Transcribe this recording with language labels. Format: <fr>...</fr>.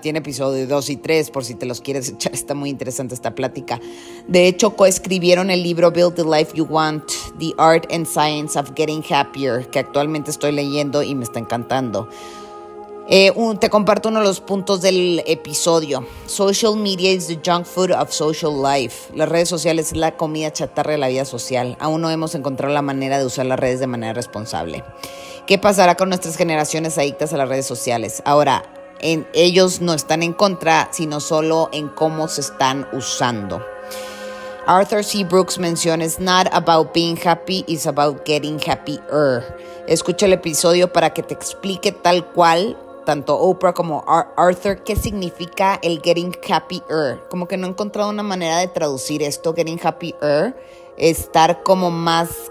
<es>Tiene episodio 2 y 3, por si te los quieres echar. Está muy interesante esta plática. De hecho, coescribieron el libro Build the Life You Want, The Art and Science of Getting Happier, que actualmente estoy leyendo y me está encantando. Te comparto uno de los puntos del episodio.</es> <en>Social media is the junk food of social life.</en> <es>Las redes sociales es la comida chatarra de la vida social. Aún no hemos encontrado la manera de usar las redes de manera responsable. ¿Qué pasará con nuestras generaciones adictas a las redes sociales? Ahora, ellos no están en contra, sino solo en cómo se están usando. Arthur C. Brooks menciona,</es> <en>it's not about being happy, it's about getting happier.</en> <es>Escucha el episodio para que te explique tal cual, tanto Oprah como Arthur, qué significa el</es> <en>getting happier.</en> <es>Como que no he encontrado una manera de traducir esto,</es> <en>getting happier,</en> <es>estar como más...</es>